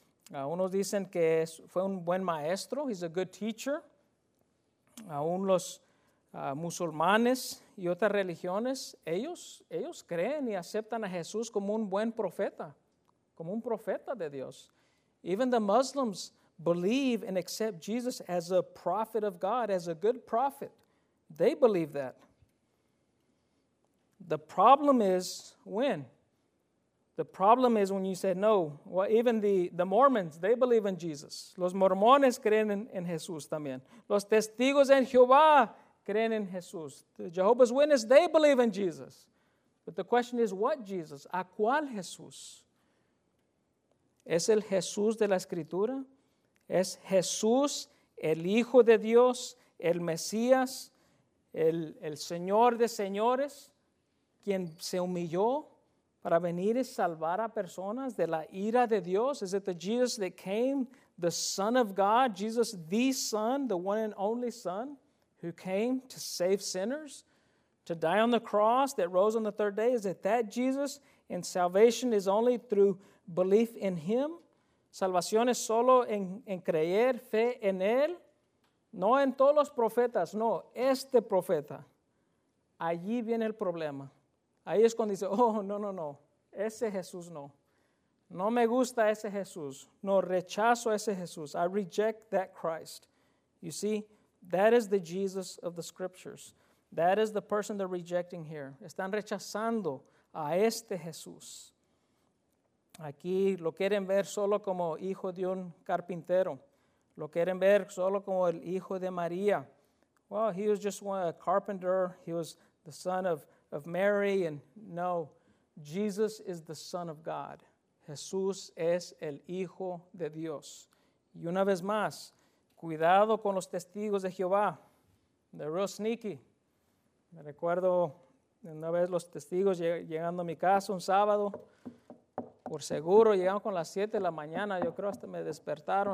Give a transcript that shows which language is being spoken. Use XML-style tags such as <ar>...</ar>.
<es>Unos dicen que fue un buen maestro,</es> <en>he's a good teacher.</en> <es>Aún los musulmanes y otras religiones, ellos creen y aceptan a Jesús como un buen profeta, como un profeta de Dios.</es> <en>Even the Muslims believe and accept Jesus as a prophet of God, as a good prophet. They believe that. The problem is when? The problem is when you say no. Well, even the Mormons, they believe in Jesus.</en> <es>Los mormones creen en Jesús también. Los testigos en Jehová creen en Jesús.</es> <en>The Jehovah's Witness, they believe in Jesus. But the question is, what Jesus?</en> <es>¿A cuál Jesús? ¿Es el Jesús de la Escritura? ¿Es Jesús el Hijo de Dios, el Mesías, el Señor de señores, quien se humilló para venir y salvar a personas de la ira de Dios? ¿Es el Jesús que</es> <en>came, the Son of God, Jesus the Son, the one and only Son, who came to save sinners, to die on the cross, that rose on the third day?</en> <es>¿Es</es> <en>that Jesus? And salvation is only through belief in Him.</en> <es>Salvación es solo en creer, fe en Él. No en todos los profetas, no, este profeta. Allí viene el problema. Ahí es cuando dice, oh, no, ese Jesús no. No me gusta ese Jesús. No, rechazo ese Jesús.</es> <en>I reject that Christ. You see, that is the Jesus of the Scriptures. That is the person they're rejecting here.</en> <es>Están rechazando a este Jesús. Aquí lo quieren ver solo como hijo de un carpintero. Lo quieren ver solo como el hijo de María.</es> <en>Well, he was just one, a carpenter. He was the son of Mary. And no, Jesus is the Son of God.</en> <es>Jesús es el Hijo de Dios. Y una vez más, cuidado con los testigos de Jehová.</es> <en>They're real sneaky.</en> <es>Me recuerdo una vez los testigos llegando a mi casa un sábado. Por seguro, llegaron con las 7 de la mañana. Yo creo hasta me despertaron.</es>